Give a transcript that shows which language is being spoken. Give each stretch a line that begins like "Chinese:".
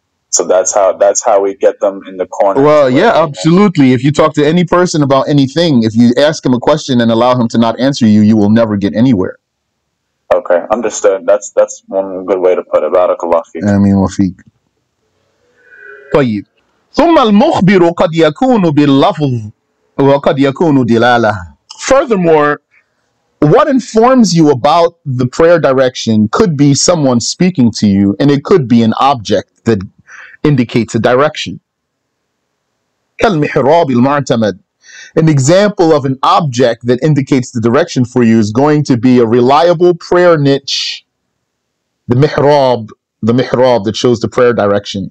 English: So that's how we get them in the corner. Well, yeah, absolutely. If you talk to any person about anything, if you ask him a question and allow him to not answer you, you will never get anywhere. Okay, understood. That's one good way to put it.
Arabic: Barakallahu fiik. Ameen wa fiik. طيب. ثم المخبر قد يكون باللفظ وقد يكون دلالة.
English: Furthermore, what informs you about the prayer direction could be someone speaking to you, and it could be an object that indicates a direction.
Arabic: كالمحراب المعتمد.
English: An example of an object that indicates the direction for you is going to be a reliable prayer niche, the mihrab that shows the prayer direction.